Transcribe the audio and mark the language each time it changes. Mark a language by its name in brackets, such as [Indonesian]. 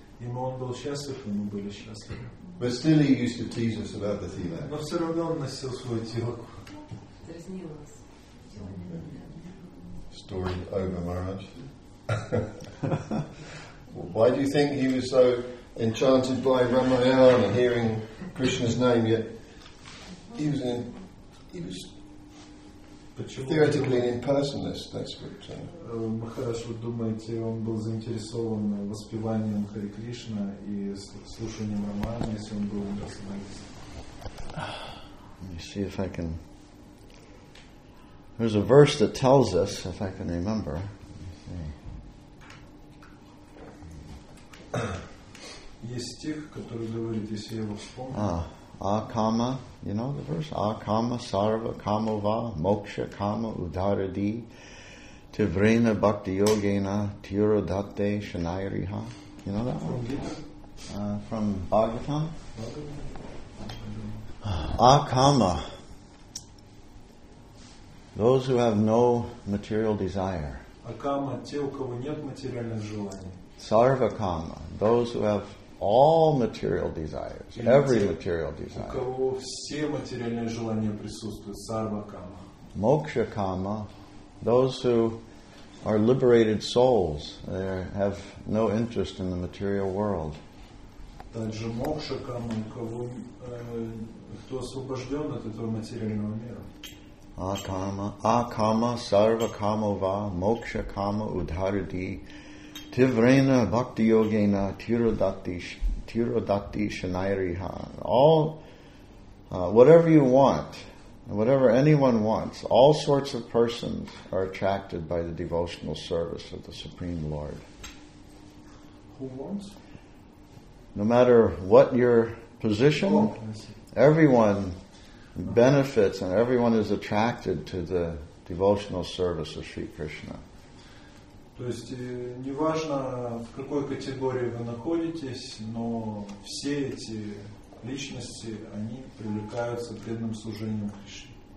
[Russian] Ему он был счастлив, и мы были счастливы. [English] But still he used to tease us about the tilak. [Russian] Но все равно он носил свой тилак. [English] Story over Maharaj. Why do you think he was so enchanted by Ramayana and hearing Krishna's name? Yet he was theoretically an impersonalist. That scripture. [Russian] Maharaj, вы думаете, он был заинтересован воспеванием Хари Кришна и слушанием Рамаяны, если он был impersonalist? [English] Let me see if I can. There's a verse that tells us, if I can remember. [Russian] Есть стих, который говорит, если я его вспомню. [Sanskrit] Акама, [English] you know the verse? [Sanskrit] Акама, сарва, камова, мокша, кама, ударади, тиврена, бхакти-йогена, тиродатте, шанайриха. [English] You know that from one? Gita? From Bhagavatam? [Sanskrit] Akama. [English] Those who have no material desire. [Russian] Акама, те, у кого нет материальных желаний. [English] Sarvakama, those who have all material desires, every material desire. [Russian] У кого все материальные желания присутствуют, Sarvakama. [English] Mokshakama, those who are liberated souls, they have no interest in the material world. [Russian] Также Mokshakama, кто освобожден от этого материального мира. [Sanskrit] Akama, Sarvakamova, Mokshakama, Udharati, Tivrena Bhakti Yogena Tirodati Shanairiha. [English] All whatever you want, whatever anyone wants, all sorts of persons are attracted by the devotional service of the Supreme Lord. Who wants? No matter what your position, everyone benefits and everyone is attracted to the devotional service of Sri Krishna. [Russian] То есть неважно в какой категории вы находитесь, но все эти личности они привлекаются преданным служением Кришне.